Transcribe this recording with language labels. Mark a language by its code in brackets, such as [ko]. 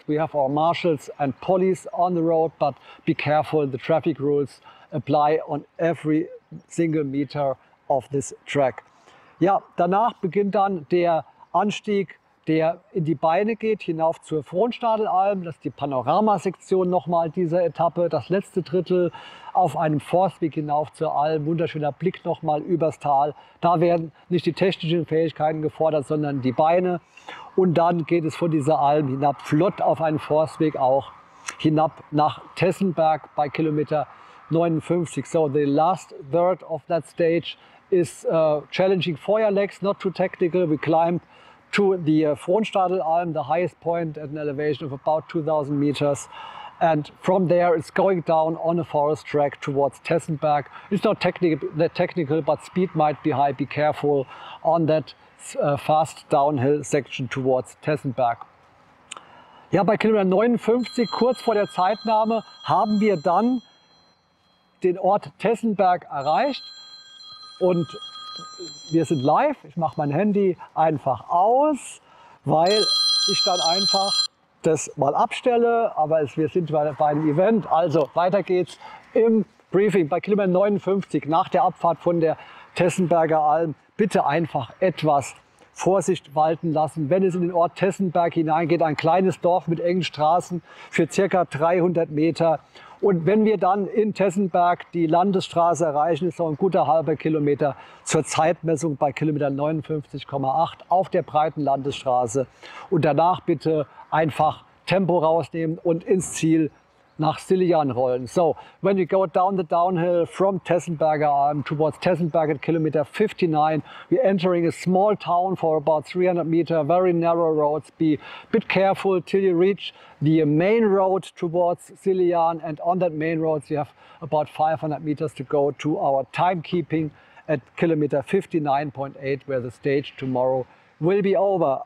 [en] We have our marshals and police on the road, but be careful. The traffic rules apply on every single meter of this track. [de] Ja, danach beginnt dann der Anstieg, der in die Beine geht, hinauf zur Frohnstadelalm. Das ist die Panoramasektion nochmal dieser Etappe. Das letzte Drittel auf einem Forstweg hinauf zur Alm. Wunderschöner Blick nochmal übers Tal. Da werden nicht die technischen Fähigkeiten gefordert, sondern die Beine. Und dann geht es von dieser Alm hinab, flott auf einen Forstweg auch, hinab nach Tessenberg bei Kilometer 59. [en] So the last third of that stage is challenging foyer legs, not too technical. We climb to the Frohnstadelalm, the highest point at an elevation of about 2000 meters. And from there it's going down on a forest track towards Tessenberg. It's not that technical, but speed might be high. Be careful on that fast downhill section towards Tessenberg. [de] Ja, bei Kilometer 59, kurz vor der Zeitnahme, haben wir dann den Ort Tessenberg erreicht und wir sind live. Ich mache mein Handy einfach aus, weil ich dann einfach das mal abstelle, aber wir sind bei einem Event. Also weiter geht's im Briefing bei Kilometer 59 nach der Abfahrt von der Tessenberger Alm. Bitte einfach etwas Vorsicht walten lassen. Wenn es in den Ort Tessenberg hineingeht, ein kleines Dorf mit engen Straßen für ca. 300 Meter. Und wenn wir dann in Tessenberg die Landesstraße erreichen, ist noch ein guter halber Kilometer zur Zeitmessung bei Kilometer 59,8 auf der breiten Landesstraße. Und danach bitte einfach Tempo rausnehmen und ins Ziel nach Sillian rollen. [en] So, when you go down the downhill from Tessenberger Alm towards Tessenberg at Kilometer 59, we're entering a small town for about 300 meters, very narrow roads. Be a bit careful till you reach the main road towards Sillian, and on that main road you have about 500 meters to go to our timekeeping at Kilometer 59.8, where the stage tomorrow will be over.